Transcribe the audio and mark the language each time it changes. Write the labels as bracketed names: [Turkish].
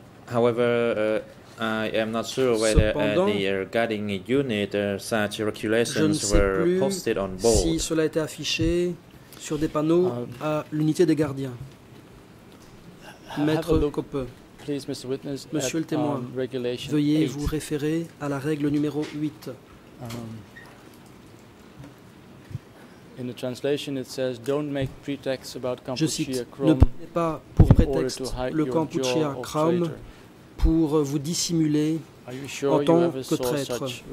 [English] However, I am not sure whether the guarding unit such regulations were posted on board. [French] Si cela a été affiché sur des panneaux à l'unité des gardiens. Maître Coppe, monsieur le témoin, veuillez vous référer à la règle numéro 8. [English] In the translation it says, don't make pretexts about [French] Kampuchea. Je cite, ne prenez pas pour prétexte le Kampuchea Krom pour vous dissimuler en tant que traître.